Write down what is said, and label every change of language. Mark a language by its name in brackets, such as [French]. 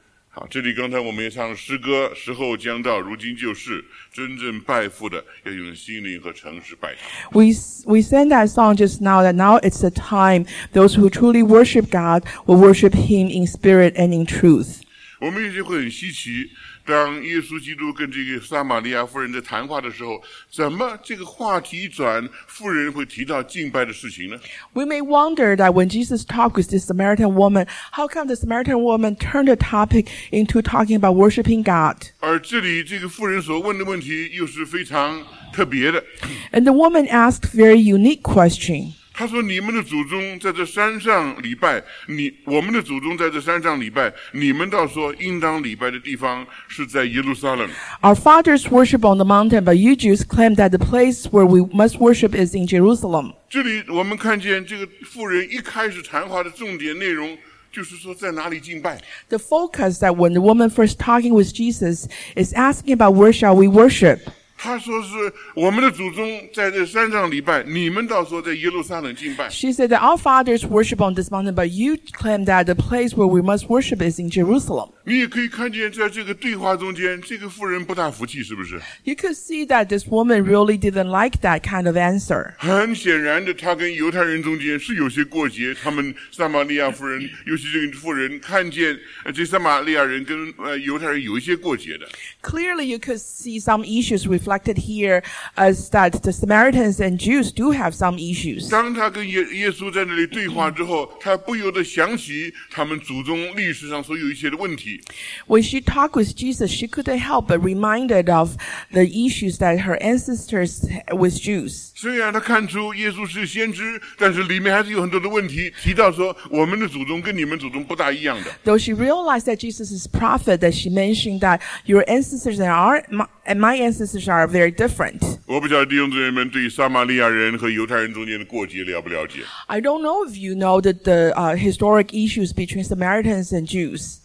[Chinese] 好，这里刚才我们也唱诗歌，时候将到，如今就是。真正拜父的要用心灵和诚实拜他。 [English] We sang that song just now that now it's the time those who truly worship God will worship him in spirit and in truth. [Chinese] 我们也就会很稀奇，当耶稣基督跟这个撒玛利亚妇人在谈话的时候，怎么这个话题转妇人会提到敬拜的事情呢？ [English] We may wonder that when Jesus talked with this Samaritan woman, how come the Samaritan woman turned the topic into talking about worshiping God? [Chinese] 而这里这个妇人所问的问题又是非常特别的。 [English] And the woman asked very unique question. [Chinese] 他说你们的祖宗在这山上礼拜你我们的祖宗在这山上礼拜你们倒说应当礼拜的地方是在耶路撒冷。 [English] Our fathers worship on the mountain, but you Jews claim that the place where we must worship is in Jerusalem. [Chinese] 这里我们看见这个妇人一开始谈话的重点内容就是说在哪里敬拜。 [English] The focus that when the woman first talking with Jesus is asking about where shall we worship? [Chinese] 他说是我们的祖宗在这山上礼拜，你们倒说在耶路撒冷敬拜。 [English] She said that our fathers worship on this mountain, but you claim that the place where we must worship is in Jerusalem. [Chinese] 你也可以看见在这个对话中间，这个妇人不大服气，是不是 [English] ？You could see that this woman really didn't like that kind of answer. [Chinese] 很显然的，她跟犹太人中间是有些过节。他们撒玛利亚妇人，尤其这个妇人，看见这撒玛利亚人跟犹太人有一些过节的。 [English] Clearly, you could see some issues with. Reflected here as that the Samaritans and Jews do have some issues. [Chinese] 当他跟耶稣在那里对话之后，他不由得想起他们祖宗历史上所有一些的问题。 [English] When she talked with Jesus, she couldn't help but reminded of the issues that her ancestors with Jews. [Chinese] 虽然他看出耶稣是先知，但是里面还是有很多的问题，提到说我们的祖宗跟你们祖宗不大一样的。 [English] Though she realized that Jesus is prophet, that she mentioned that your ancestors and our And my ancestors are very different. I don't know if you know that the historic issues between Samaritans and Jews.